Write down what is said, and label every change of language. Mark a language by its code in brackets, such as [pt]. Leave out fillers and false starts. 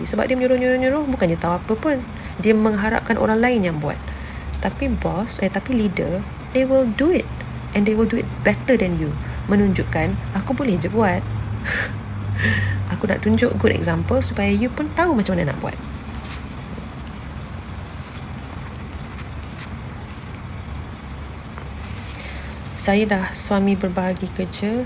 [ms] Sebab dia menyuruh-nyuruh-nyuruh, bukannya tahu apa pun. Dia mengharapkan orang lain yang buat. Tapi bos, tapi [en] leader, they will do it. And they will do it better than you. [ms] Menunjukkan, aku boleh je buat. Aku nak tunjuk [en] good example [ms] supaya you pun tahu macam mana nak buat. Saya dah suami berbahagi kerja.